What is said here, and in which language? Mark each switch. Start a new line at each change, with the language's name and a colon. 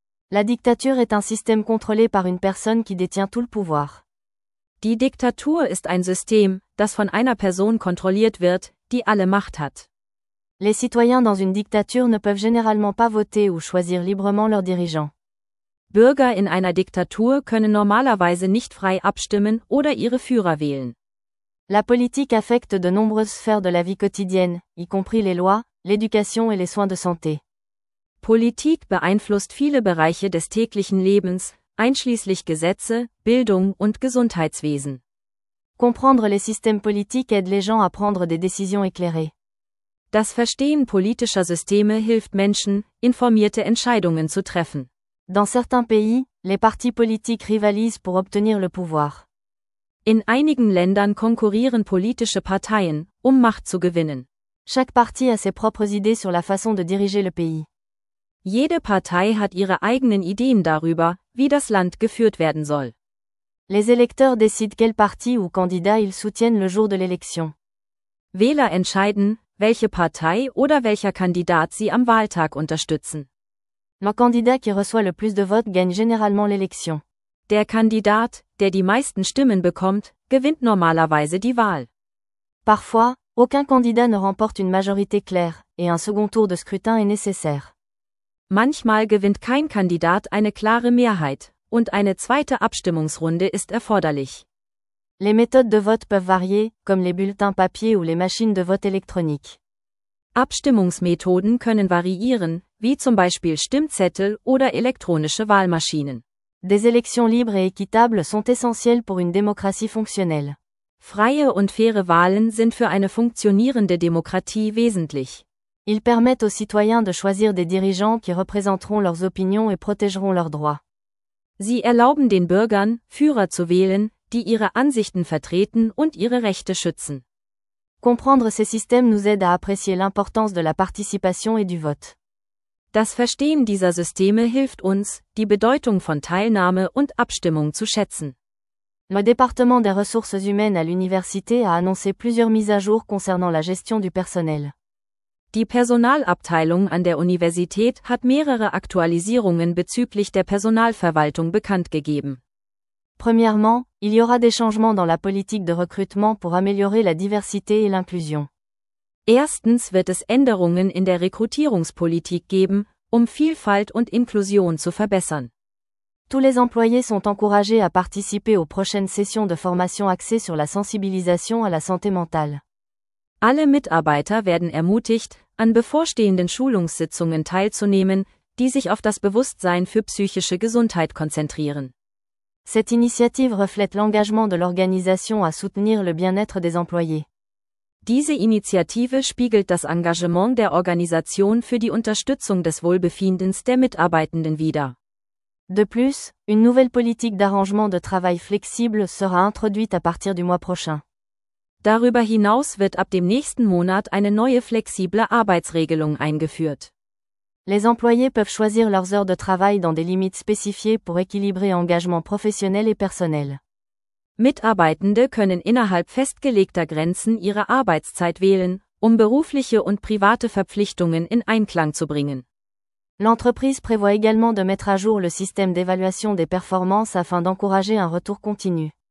French: La dictature est un système contrôlé par une personne qui détient tout le pouvoir.
German: Die Diktatur ist ein System, das von einer Person kontrolliert wird, die alle Macht hat.
French: Les citoyens dans une dictature ne peuvent généralement pas voter ou choisir librement leurs dirigeants.
German: Bürger in einer Diktatur können normalerweise nicht frei abstimmen oder ihre Führer wählen.
French: La politique affecte de nombreuses sphères de la vie quotidienne, y compris les lois, l'éducation et les soins de santé.
German: Politik beeinflusst viele Bereiche des täglichen Lebens, einschließlich Gesetze, Bildung und Gesundheitswesen.
French: Comprendre les systèmes politiques aide les gens à prendre des décisions éclairées.
German: Das Verstehen politischer Systeme hilft Menschen, informierte Entscheidungen zu treffen.
French: Dans certains pays, les partis politiques rivalisent pour obtenir le pouvoir.
German: In einigen Ländern konkurrieren politische Parteien, um Macht zu gewinnen.
French: Chaque parti a ses propres idées sur la façon de diriger le pays.
German: Jede Partei hat ihre eigenen Ideen darüber, wie das Land geführt werden soll.
French: Les électeurs décident quel parti ou candidat ils soutiennent le jour de l'élection.
German: Wähler entscheiden, welche Partei oder welcher Kandidat sie am Wahltag unterstützen.
French: Le candidat qui reçoit le plus de votes gagne généralement l'élection.
German: Der Kandidat, der die meisten Stimmen bekommt, gewinnt normalerweise die Wahl.
French: Parfois, aucun candidat ne remporte une majorité claire, et un second tour de scrutin est nécessaire.
German: Manchmal gewinnt kein Kandidat eine klare Mehrheit, und eine zweite Abstimmungsrunde ist erforderlich.
French: Les méthodes de vote peuvent varier, comme les bulletins papier ou les machines de vote électronique.
German: Abstimmungsmethoden können variieren, wie zum Beispiel Stimmzettel oder elektronische Wahlmaschinen.
French: Des élections libres et équitables sont essentielles pour une démocratie fonctionnelle.
German: Freie und faire Wahlen sind für eine funktionierende Demokratie wesentlich.
French: Ils permettent aux citoyens de choisir des dirigeants qui représenteront leurs opinions et protégeront leurs droits.
German: Sie erlauben den Bürgern, Führer zu wählen, die ihre Ansichten vertreten und ihre Rechte schützen.
French: Comprendre ces systèmes nous aide à apprécier l'importance de la participation et du vote.
German: Das Verstehen dieser Systeme hilft uns, die Bedeutung von Teilnahme und Abstimmung zu schätzen.
French: Le département des ressources humaines à l'université a annoncé plusieurs mises à jour concernant la gestion du personnel.
German: Die Personalabteilung an der Universität hat mehrere Aktualisierungen bezüglich der Personalverwaltung bekannt gegeben.
French: Premièrement, il y aura des changements dans la politique de recrutement pour améliorer la diversité et l'inclusion.
German: Erstens wird es Änderungen in der Rekrutierungspolitik geben, um Vielfalt und Inklusion zu verbessern.
French: Tous les employés sont encouragés à participer aux prochaines sessions de formation axées sur la sensibilisation à la santé mentale.
German: Alle Mitarbeiter werden ermutigt, an bevorstehenden Schulungssitzungen teilzunehmen, die sich auf das Bewusstsein für psychische Gesundheit konzentrieren.
French: Cette initiative reflète l'engagement de l'organisation à soutenir le bien-être des employés.
German: Diese Initiative spiegelt das Engagement der Organisation für die Unterstützung des Wohlbefindens der Mitarbeitenden wider.
French: De plus, une nouvelle politique d'arrangement de travail flexible sera introduite à partir du mois prochain.
German: Darüber hinaus wird ab dem nächsten Monat eine neue flexible Arbeitsregelung eingeführt.
French: Les employés peuvent choisir leurs heures de travail dans des limites spécifiées pour équilibrer engagement professionnel et personnel.
German: Mitarbeitende können innerhalb festgelegter Grenzen ihre Arbeitszeit wählen, um berufliche und private Verpflichtungen in Einklang zu bringen.
French: L'entreprise prévoit également de mettre à jour le système d'évaluation des performances afin d'encourager un retour continu.